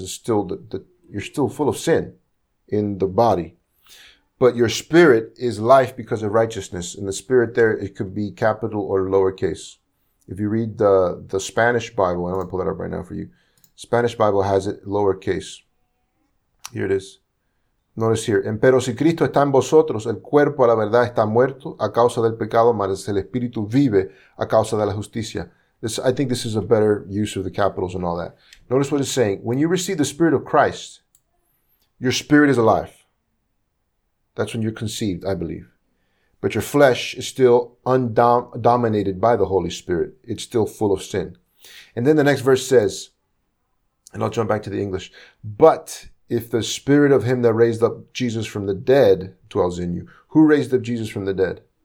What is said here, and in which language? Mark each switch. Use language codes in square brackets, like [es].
[en] It's still you're still full of sin in the body. But your spirit is life because of righteousness. And the spirit there, it could be capital or lowercase. If you read the Spanish Bible, I'm going to pull that up right now for you. Spanish Bible has it lowercase. Here it is. Notice here. [es] Empero si Cristo está en vosotros, el cuerpo a la verdad está muerto a causa del pecado, mas el espíritu vive a causa de la justicia. [en] I think this is a better use of the capitals and all that. Notice what it's saying. When you receive the Spirit of Christ, your spirit is alive. That's when you're conceived, I believe. But your flesh is still dominated by the Holy Spirit. It's still full of sin. And then the next verse says, and I'll jump back to the English, but if the Spirit of him that raised up Jesus from the dead dwells in you, who raised up Jesus from the dead?